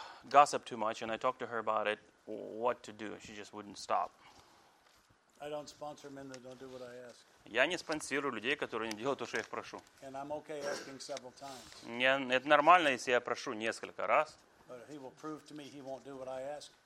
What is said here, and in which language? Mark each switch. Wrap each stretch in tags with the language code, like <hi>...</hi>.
<en>gossip too much, and I talked to her about it, what to do. She just wouldn't stop. I don't sponsor men that don't do what I ask.</en> <ru>Я не спонсирую людей, которые не делают то, что я их прошу.</ru> <en>And I'm okay asking several times.</en> <ru>Это нормально, если я прошу несколько раз.</ru> <en>But if he will prove to me he won't do what I ask.</en>